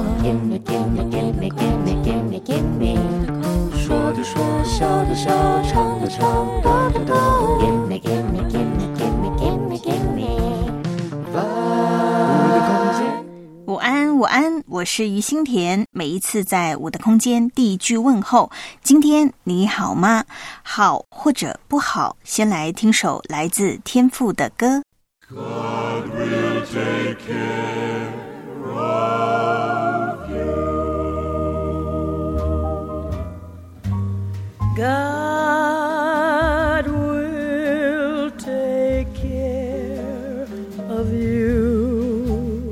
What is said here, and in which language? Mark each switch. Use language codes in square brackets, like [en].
[en] Give me, give me, give me, give me, give me, give me。 [zh] 说的说，笑的笑，唱的唱，哒哒哒。 [en] Give me, give me, give me, give me, give me, give me。 [zh] 午安，午安，我是于心田。每一次在我的空间第一句问候，今天你好吗？好或者不好，先来听首来自天父的歌。 [en] God will take care of you. God will take care of you.